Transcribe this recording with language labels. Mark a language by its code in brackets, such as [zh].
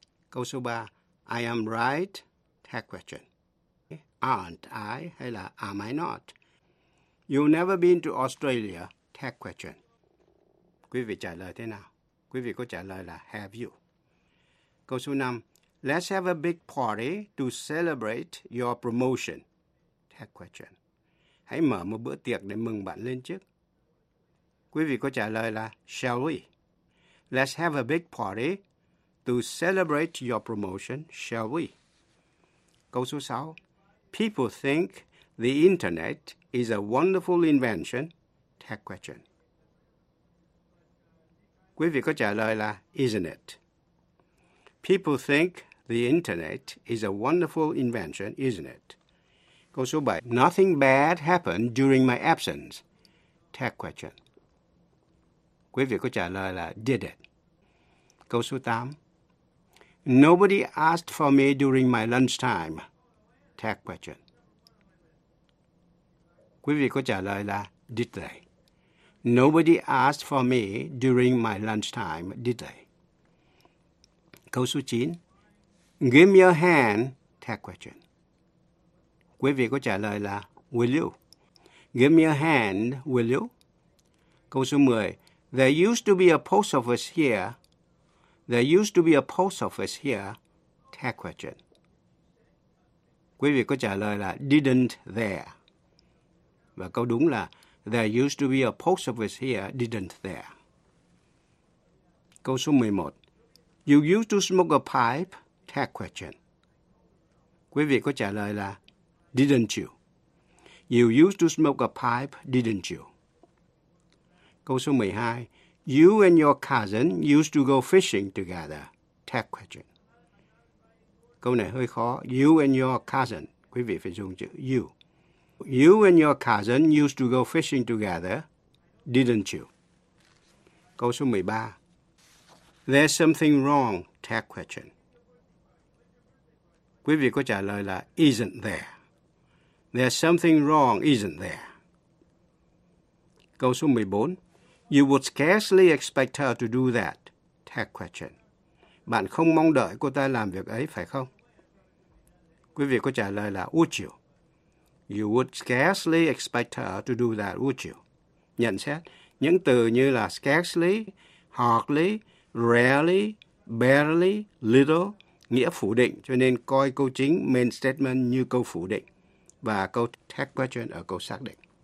[vi] Câu số 3. [en] I am right. Tag question. Aren't I? Hay là am I not? You've never been to Australia. Tag question. [vi] Quý vị trả lời thế nào? Quý vị có trả lời là [en] have you? [vi] Câu số 5. [en] Let's have a big party to celebrate your promotion. Tag question. [vi] Hãy mở một bữa tiệc để mừng bạn lên chức. Quý vị có trả lời là [en] shall we? Let's have a big party to celebrate your promotion, shall we? [vi] Câu số 6. [en] People think the internet is a wonderful invention. Tag question. [vi] Quý vị có trả lời là [en] isn't it? People think the internet is a wonderful invention, isn't it? [vi] Câu số 7. [en] Nothing bad happened during my absence. Tag question. [vi] Quý vị có trả lời là [en] did it? [vi] Câu số 8. [en] Nobody asked for me during my lunchtime. Tag question. [vi] Quý vị có trả lời là [en] did they? Nobody asked for me during my lunchtime, did they? Câu số 9. Give me a hand. Tag question. [vi] Quý vị có trả lời là [en] will you? Give me a hand, will you? [vi] Câu số 10. [en] There used to be a post office here. There used to be a post office here. Tag question. [vi] Quý vị có trả lời là [en] didn't there. [vi] Và câu đúng là [en] there used to be a post office here, didn't there. [vi] Câu số 11. [en] You used to smoke a pipe? Tag question. [vi] Quý vị có trả lời là [en] didn't you? You used to smoke a pipe, didn't you? [vi] Câu số 12. [en] You and your cousin used to go fishing together. Tag question. [vi] Câu này hơi khó. [en] You and your cousin. [vi] Quý vị phải dùng chữ you. [en] You and your cousin used to go fishing together, didn't you? [vi] Câu số 13. [en] There's something wrong. Tag question. [vi] Quý vị có trả lời là [en] isn't there. There's something wrong, isn't there? [vi] Câu số 14. [en] You would scarcely expect her to do that. Tag question. [vi] Bạn không mong đợi cô ta làm việc ấy, phải không? Quý vị có trả lời là [en] would you? You would scarcely expect her to do that, would you? [vi] Nhận xét, những từ như là scarcely, hardly, rarely, barely, little, nghĩa phủ định, cho nên coi câu chính main statement như câu phủ định và câu tag question ở câu xác định.